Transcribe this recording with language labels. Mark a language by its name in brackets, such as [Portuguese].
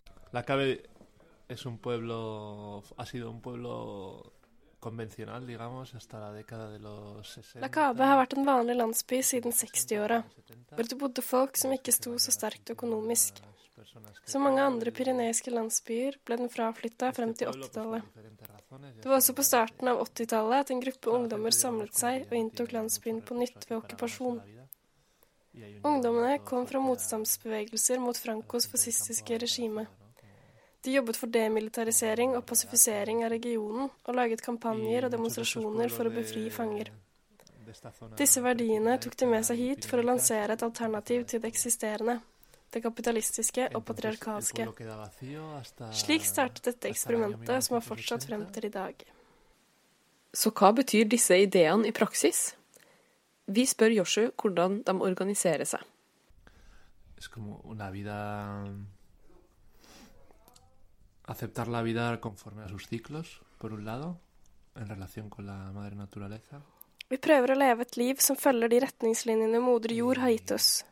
[Spanish] La Cave es un pueblo, ha sido un pueblo convencional, digamos, hasta la década de los 60. [Norwegian] La Cave har vært en vanlig landsby siden 60-årene, hvor det bodde folk som ikke sto så sterkt økonomisk. Som mange andre pyreneiske landsbyer ble den fraflyttet frem til 80-tallet. Det var også på starten av 80-tallet at en gruppe ungdommer samlet seg og inntok landsbyen på nytt ved okkupasjon. Ungdommene kom fra motstandsbevegelser mot Francos fascistiske regime. De jobbet for demilitarisering og pasifisering av regionen og laget kampanjer og demonstrasjoner for å befri fanger. Disse verdiene tok de med seg hit for å lansere et alternativ til det eksisterende. Det kapitalistiske og patriarkalske. Slik startet dette eksperimentet som har fortsatt frem til i dag. Så hva betyr disse ideene i praksis? Vi spør Joshu hvordan de organiserer seg. [Spanish] Acceptar la vida conforme a sus ciclos, por un lado, en relación con la madre naturaleza. [Norwegian] Vi prøver å leve et liv som følger de retningslinjene moder jord har gitt oss.